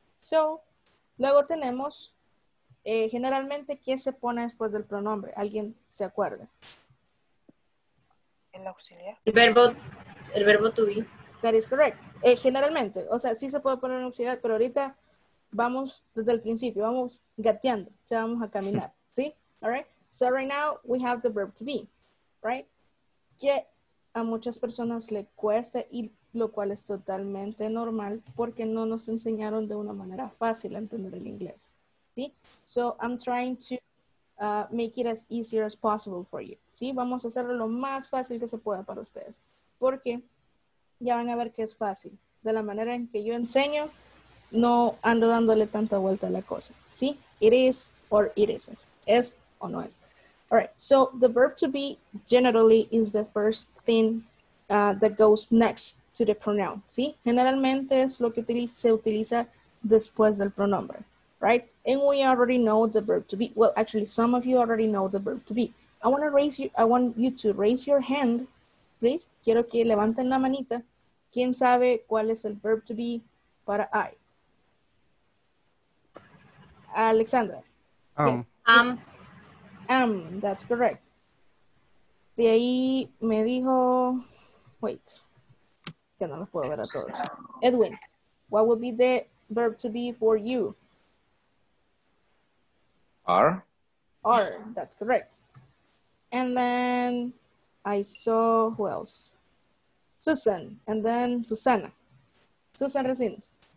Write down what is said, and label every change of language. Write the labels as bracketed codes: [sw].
[es] So, luego tenemos, generalmente, ¿qué se pone después del pronombre? ¿Alguien se acuerda? El auxiliar. El verbo to be. [en] That is correct. [es] Generalmente, o sea, sí se puede poner un auxiliar, pero ahorita vamos desde el principio, vamos gateando, ya vamos a caminar, ¿sí? [en] All right. So right now, we have the verb to be, right? [es] Que a muchas personas le cuesta y lo cual es totalmente normal porque no nos enseñaron de una manera fácil a entender el inglés, ¿sí? [en] So I'm trying to make it as easier as possible for you, ¿sí? [es] Vamos a hacerlo lo más fácil que se pueda para ustedes porque ya van a ver que es fácil. De la manera en que yo enseño, no ando dándole tanta vuelta a la cosa, ¿sí? [en] It is or it isn't. [es] Es o no es. [en] All right, so the verb to be generally is the first thing that goes next to the pronoun, ¿sí? [es] Generalmente es lo que se utiliza después del pronombre, right? [en] And we already know the verb to be. Well, actually, some of you already know the verb to be. I want you to raise your hand, please. [es] Quiero que levanten la manita ¿Quién sabe cuál es el verb to be para I? Alexandra. [en] Am. That's correct. [es] De ahí me dijo, wait, que no los puedo ver a todos. [en] Edwin, what would be the verb to be for you? Are. Are, that's correct. And then I saw, who else? Susan, and then Susana. Susan Resines.